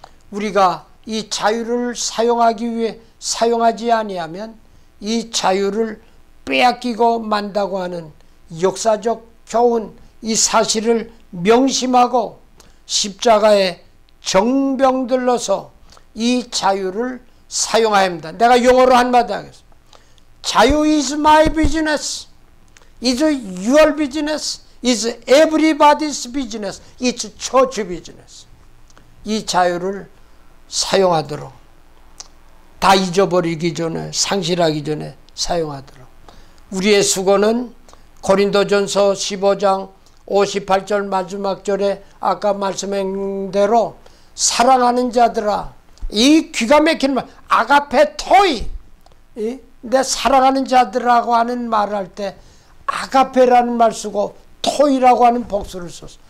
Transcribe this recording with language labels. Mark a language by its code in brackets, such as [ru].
[ko] 우리가 이 자유를 사용하기 위해 사용하지 아니하면 이 자유를 빼앗기고 만다고 하는 역사적 교훈 이 사실을 명심하고 십자가에 정병들로서 이 자유를 사용합니다. 내가 용어로 한마디 하겠습니다. [en] 자유 is my business, is your business, is everybody's business, is church business. [ko] 이 자유를 사용하도록, 다 잊어버리기 전에, 상실하기 전에 사용하도록. 우리의 수고는 고린도전서 15장 58절 마지막 절에 아까 말씀한 대로 사랑하는 자들아, 이 귀가 막히는 말, 아가페 토이, 내 사랑하는 자들이라고 하는 말을 할 때 아가페라는 말 쓰고 토이라고 하는 복수를 썼어.